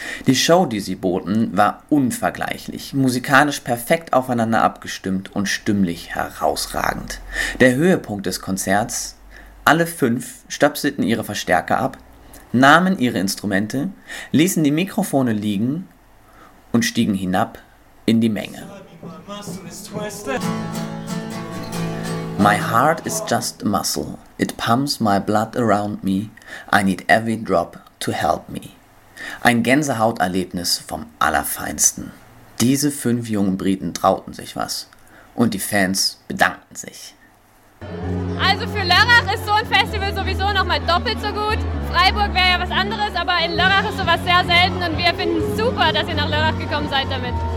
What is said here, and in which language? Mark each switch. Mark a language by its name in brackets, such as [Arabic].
[German] Die Show, die sie boten, war unvergleichlich, musikalisch perfekt aufeinander abgestimmt und stimmlich herausragend. Der Höhepunkt des Konzerts: alle fünf stöpselten ihre Verstärker ab, nahmen ihre Instrumente, ließen die Mikrofone liegen und stiegen hinab in die Menge. [English] My heart is just a muscle. It pumps my blood around me. I need every drop to help me. [German] Ein Gänsehauterlebnis vom Allerfeinsten. Diese fünf jungen Briten trauten sich was. Und die Fans bedankten sich. Also für Lörrach ist so ein Festival sowieso nochmal doppelt so gut. Freiburg wäre ja was anderes, aber in Lörrach ist sowas sehr selten. Und wir finden es super, dass ihr nach Lörrach gekommen seid damit.